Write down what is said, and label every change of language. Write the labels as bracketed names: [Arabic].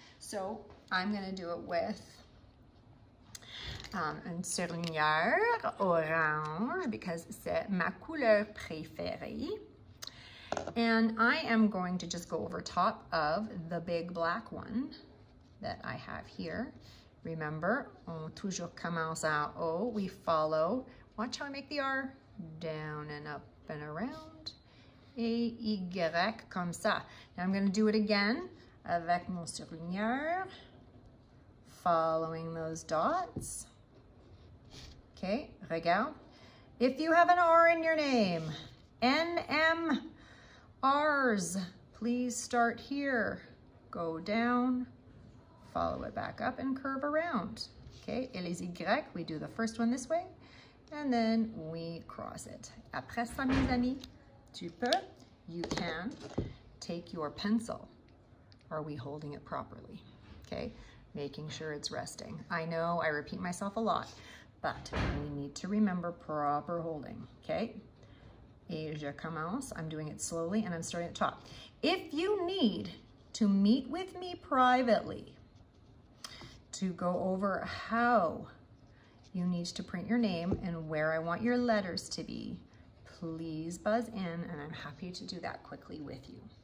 [English] So I'm gonna do it with [French] une surligneur orange [English] because [French] c'est ma couleur préférée. [English] And I am going to just go over top of the big black one that I have here. Remember, [French] on toujours commence en haut, [English] we follow, watch how I make the R, down and up and around. A-Y [French] comme ça. [English] Now I'm gonna do it again [French] avec mon surligneur, [English] following those dots. Okay, [French] regarde. [English] If you have an R in your name, N-M, R's, please start here. Go down, follow it back up and curve around. Okay, [French] et les Y, [English] we do the first one this way, and then we cross it. [French] Après ça, mes amis, tu peux. [English] You can take your pencil. Are we holding it properly? Okay, making sure it's resting. I know I repeat myself a lot, but we need to remember proper holding, okay? [French] Et je commence, [English] I'm doing it slowly and I'm starting at the top. If you need to meet with me privately to go over how you need to print your name and where I want your letters to be, please buzz in and I'm happy to do that quickly with you.